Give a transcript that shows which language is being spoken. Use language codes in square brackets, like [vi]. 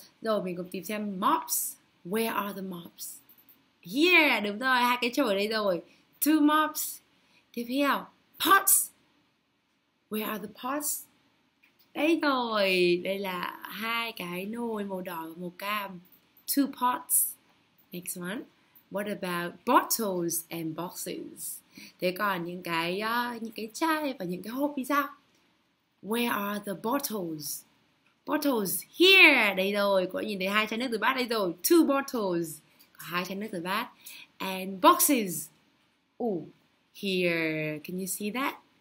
[vi] Rồi, mình cùng tìm xem mops. [en] Where are the mops? Here, [vi] đúng rồi, hai cái chổi ở đây rồi. [en] Two mops. [vi] Tiếp theo, [en] pots. Where are the pots? [vi] Đây rồi, đây là hai cái nồi màu đỏ và màu cam. [en] Two pots. Next one. What about bottles and boxes? [vi] Thế còn những cái chai và những cái hộp thì sao? [en] Where are the bottles? Bottles here. [vi] Đây rồi, có nhìn thấy hai chai nước từ bát đây rồi. [en] Two bottles. [vi] Có hai chai nước từ bát. [en] And boxes. Ooh, here. Can you see that?